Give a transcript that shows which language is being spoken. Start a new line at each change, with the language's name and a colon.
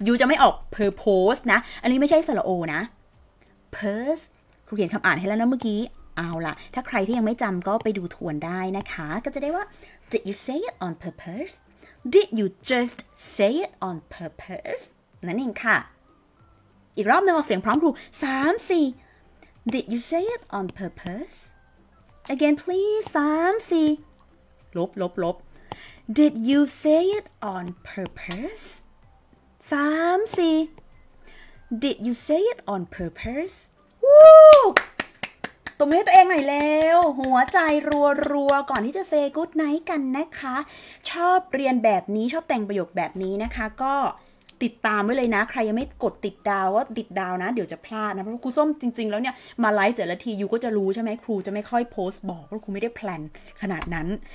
Thai: You จะไม่ออก purpose นะอันนี้ไม่ใช่สระโอนะ purpose ครูเขียนคำอ่านให้แล้วนะเมื่อกี้เอาล่ะถ้าใครที่ยังไม่จำก็ไปดูทวนได้นะคะก็จะได้ว่า
English: Did you say it on purposeDid you just say it on purpose?
Thai: นั่นเองค่ะอีกรอบนึงออกเสียงพร้อมครู3 4
English: Did you say it on purpose? Again please 3 4 ลบ Did you say it on purpose? 3 4 Did you say it on purpose?
Thai: วู้ตรงนี้ตัวเองหน่อยแล้วหัวใจรัวๆก่อนที่จะ say good night กันนะคะชอบเรียนแบบนี้ชอบแต่งประโยคแบบนี้นะคะก็ติดตามไว้เลยนะใครยังไม่กดติดดาวก็ติดดาวนะเดี๋ยวจะพลาดนะเพราะครูส้มจริงๆแล้วเนี่ยมาไลฟ์แต่ละทียูก็จะรู้ใช่ไหมครูจะไม่ค่อยโพสต์บอกเพราะครูไม่ได้แพลนขนาดนั้น